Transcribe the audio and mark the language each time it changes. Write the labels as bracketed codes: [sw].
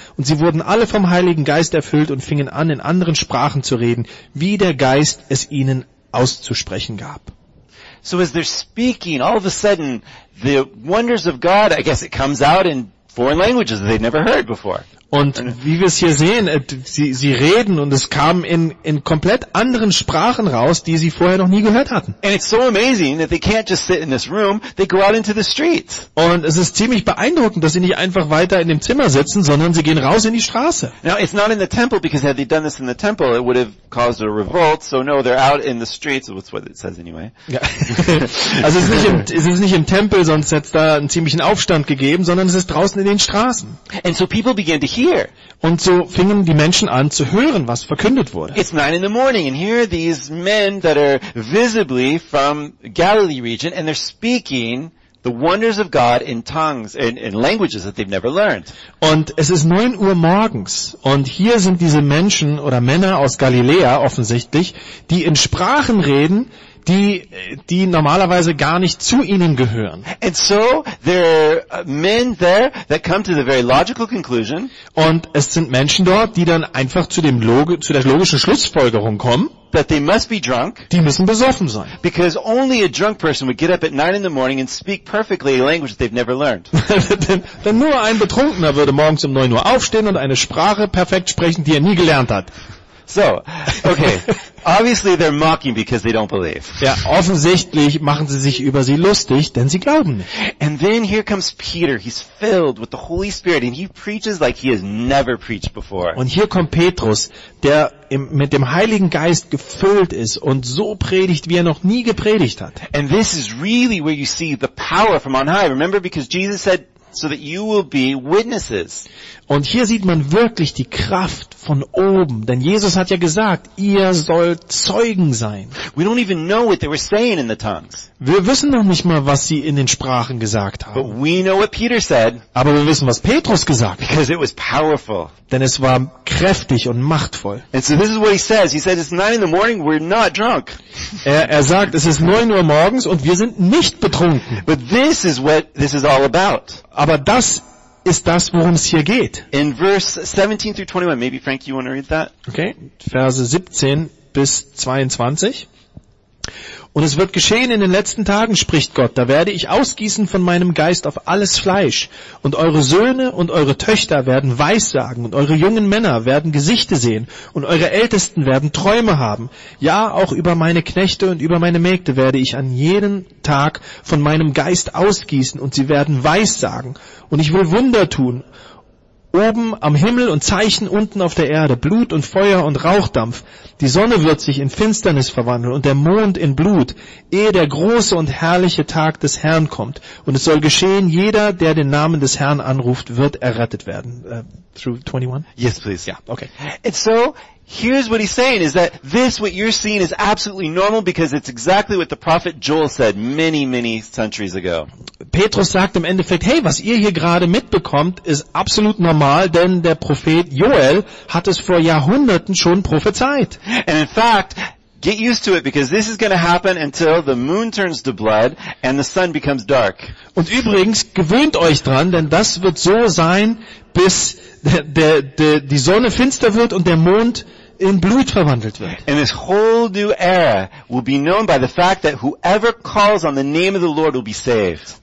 [de] Und sie wurden alle vom Heiligen Geist erfüllt und fingen an, in anderen Sprachen zu reden, wie der Geist es ihnen auszusprechen gab. [en] So as they're speaking, all of a sudden, the wonders of God, I guess it comes out in foreign languages that they'd never heard before. [de] Und wie wir es hier sehen, sie reden und es kam in komplett anderen Sprachen raus, die sie vorher noch nie gehört hatten. [en] And it's so amazing that they can't just sit in this room, they go out into the streets. [de] Und es ist ziemlich beeindruckend, dass sie nicht einfach weiter in dem Zimmer sitzen, sondern sie gehen raus in die Straße. [en] Now it's not in the temple, because had they done this in the temple, it would have caused a revolt. So no, they're out in the streets, that's what it says anyway. [de] Ja. Also es ist nicht im Tempel, sonst hätte es da einen ziemlichen Aufstand gegeben, sondern es ist draußen in den Straßen. [en] And so people began to hear. [de] Und so fingen die Menschen an zu hören, was verkündet wurde. [en] It's 9 in the morning and here are these men that are visibly from Galilee region and they're speaking the wonders of God in tongues and in languages that they've never learned. [de] Und es ist 9 Uhr morgens und hier sind diese Menschen oder Männer aus Galiläa offensichtlich, die in Sprachen reden, die normalerweise gar nicht zu ihnen gehören. [en] And so there are men there that come to the very logical conclusion. [de] Und es sind Menschen dort, die dann einfach zu der logischen Schlussfolgerung kommen. [en] That they must be drunk. [de] Die müssen besoffen sein. [en] Because only a drunk person would get up at 9 in the morning and speak perfectly a language that they've never learned. [de] Denn nur ein Betrunkener würde morgens um 9 Uhr aufstehen und eine Sprache perfekt sprechen, die er nie gelernt hat. [en] So, okay. Obviously they're mocking because they don't believe. [de] Ja, offensichtlich machen sie sich über sie lustig, denn sie glauben nicht. [en] And then here comes Peter. He's filled with the Holy Spirit and he preaches like he has never preached before. [de] Und hier kommt Petrus, der mit dem Heiligen Geist gefüllt ist und so predigt, wie er noch nie gepredigt hat. [en] And this is really where you see the power from on high. Remember, because Jesus said so that you will be witnesses. [de] Und hier sieht man wirklich die Kraft von oben, denn Jesus hat ja gesagt, ihr sollt Zeugen sein. [en] We don't even know what they were saying in the tongues. [de] Wir wissen noch nicht mal, was sie in den Sprachen gesagt haben. [en] But we know what Peter said. [de] Aber wir wissen, was Petrus gesagt hat. [en] Because it was powerful. [de] Denn es war kräftig und machtvoll. [en] And so this is what he says. He says it's 9 in the morning, we're not drunk. [de] Er sagt, es ist 9 Uhr morgens und wir sind nicht betrunken. [en] But this is what this is all about. [de] Aber das ist das, worum es hier geht. [en] In verse 17 through 21, maybe Frank, you want to read that? [de] Okay, Verse 17 bis 22. Und es wird geschehen in den letzten Tagen, spricht Gott, da werde ich ausgießen von meinem Geist auf alles Fleisch. Und eure Söhne und eure Töchter werden Weissagen und eure jungen Männer werden Gesichte sehen und eure Ältesten werden Träume haben. Ja, auch über meine Knechte und über meine Mägde werde ich an jeden Tag von meinem Geist ausgießen und sie werden Weissagen. Und ich will Wunder tun, oben am Himmel und Zeichen unten auf der Erde, Blut und Feuer und Rauchdampf. Die Sonne wird sich in Finsternis verwandeln und der Mond in Blut, ehe der große und herrliche Tag des Herrn kommt. Und es soll geschehen, jeder, der den Namen des Herrn anruft, wird errettet werden. [en] Through 21? Yes, please. Yeah, okay. And so, here's what he's saying, is that this, what you're seeing, is absolutely normal, because it's exactly what the prophet Joel said many, many centuries ago. [de] Petrus sagt im Endeffekt, hey, was ihr hier gerade mitbekommt, ist absolut normal, denn der Prophet Joel hat es vor Jahrhunderten schon prophezeit. [en] And in fact, get used to it, because this is going to happen until the moon turns to blood and the sun becomes dark. [de] Und übrigens, gewöhnt euch dran, denn das wird so sein, bis die Sonne finster wird und der Mond in Blut verwandelt wird. [en] And this whole new era will be known by the fact that whoever calls on the name of the Lord will be saved.